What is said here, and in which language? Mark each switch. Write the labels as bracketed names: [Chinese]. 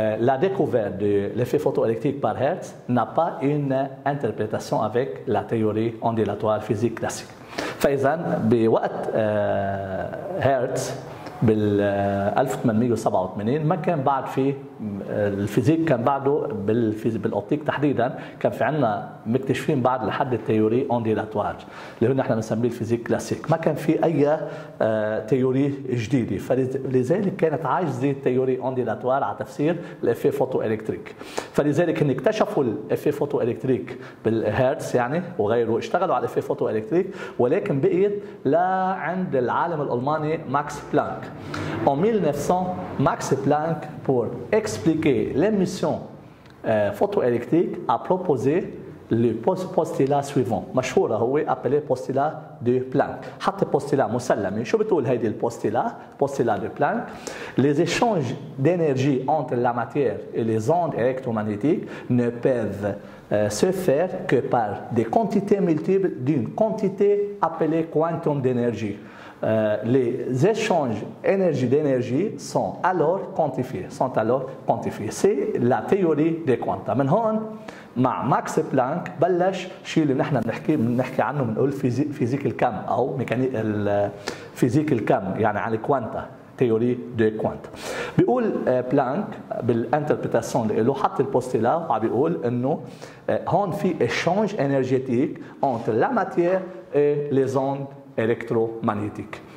[French] La découverte de l'effet photoélectrique par Hertz n'a pas une interprétation avec la théorie ondulatoire physique classique. [Arabic] فإذن بوقت هرتز بال 1887 ما كان بعد في الفيزيك، كان بعده بالاوبتيك تحديدا، كان في عندنا مكتشفين بعد لحد التيوري اونديلاتوار اللي هن احنا بنسميه الفيزيك كلاسيك، ما كان في اي تيوري جديده، فلذلك كانت عاجزه التيوري اونديلاتوار على تفسير الافي فوتو الكتريك. فلذلك هن اكتشفوا الافي فوتو الكتريك بالهرتز يعني وغيره، اشتغلوا على الافي فوتو الكتريك ولكن بقيت لعند العالم الالماني ماكس بلانك. [French] En 1900, Max Planck, pour expliquer l'émission photoélectrique, a proposé le postulat suivant. [Arabic] مشهورة هو [French] appelé postulat de Planck. [Arabic] حتى postulat مسلمي. شو بتقول هيدي [French] postulat؟ Postulat de Planck. Les échanges d'énergie entre la matière et les ondes électromagnétiques ne peuvent se faire que par des quantités multiples d'une quantité appelée quantum d'énergie. Les échanges énergie d'énergie sont alors quantifiés. C'est la théorie des quanta. [Arabic] من هون مع ماكس بلانك بلش شيء اللي نحن بنحكي عنه، بنقول فيزيك الكم او ميكانيك الفيزيك الكم، يعني عن الكوانتا، تيوري دي كوانتا. بيقول بلانك بالانتربريتاسيون اللي له، حط البوستيلا وعم بيقول انه هون في اشانج انرجيتيك انت لا ماتير اي لي زوند الكترومغنيتيك.